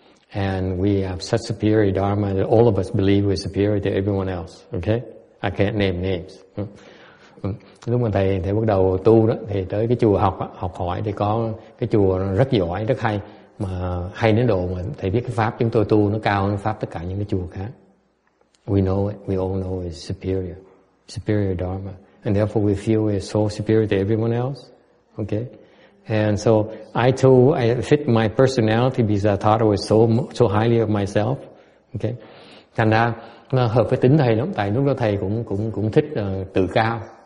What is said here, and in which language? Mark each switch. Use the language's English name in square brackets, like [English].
[English] And we have such superior dharma that all of us believe we're superior to everyone else. Okay? I can't name names. [Vietnamese] Lúc mà thầy bắt đầu tu đó, thì tới cái chùa học học hỏi thì có cái chùa rất giỏi, rất hay. Mà hay đến độ mà thầy biết cái pháp chúng tôi tu nó cao hơn pháp tất cả những cái chùa khác. [English] We know it, we all know it's superior, superior dharma. And therefore we feel we're so superior to everyone else. Okay? And so I too, I fit my personality because I thought I was so highly of myself. Okay? [Vietnamese] Thành ra nó hợp với tính thầy lắm, tại lúc đó thầy cũng thích tự cao.